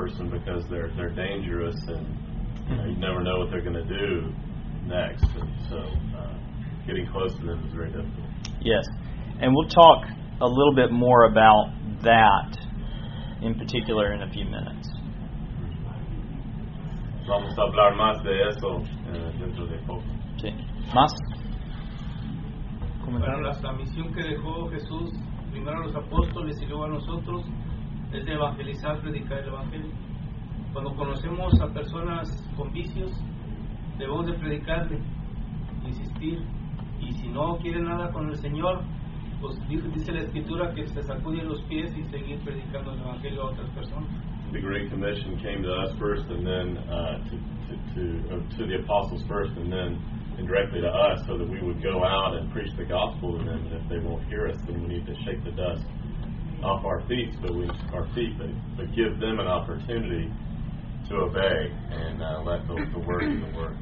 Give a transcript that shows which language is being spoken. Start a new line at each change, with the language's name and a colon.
English: Because they're dangerous and you never know what they're going to do next. And so getting close to them is very difficult. Yes. And we'll talk a little bit more about that in particular in a few minutes.
Spanish: Vamos a hablar más de eso dentro de poco. Sí. Más. Comentar. La misión que dejó Jesús primero a los apóstoles y luego a nosotros es de evangelizar, predicar el evangelio. Cuando conocemos a personas con vicios, debemos de predicarle, insistir. Y si no quiere nada con el Señor, pues dice la Escritura que se sacude los pies y seguir predicando el Evangelio a otras personas.
English: The Great Commission came to us first and then to the apostles first and then indirectly to us so that we would go out and preach the gospel to them. And if they won't hear us, then we need to shake the dust off our feet, but give them an opportunity to obey and let the word be the word.